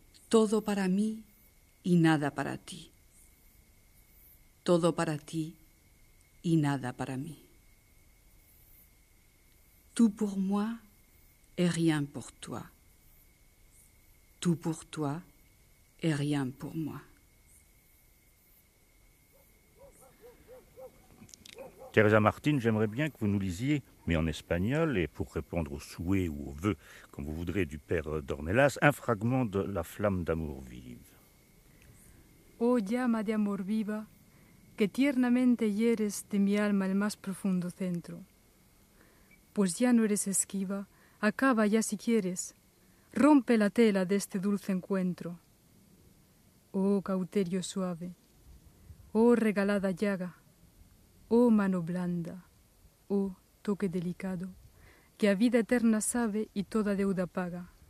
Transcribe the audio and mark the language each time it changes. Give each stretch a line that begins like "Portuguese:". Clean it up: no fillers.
Spanish: Todo para mí y nada para ti. Todo para ti y nada para mí.
French: Tout pour moi et rien pour toi. Tout pour toi et rien pour moi. Teresa Martin, j'aimerais bien que vous nous lisiez, mais en espagnol, et pour répondre aux souhaits ou aux vœux, comme vous voudrez, du père Dornelas, un fragment de La flamme d'amour vive.
Spanish: Ô llama de amor viva, que tiernamente hieres de mi alma el más profundo centro. Pues ya no eres esquiva, acaba ya si quieres, rompe la tela de este dulce encuentro. Oh cauterio suave, oh regalada llaga, oh mano blanda, oh toque delicado, que a vida eterna sabe y toda deuda paga.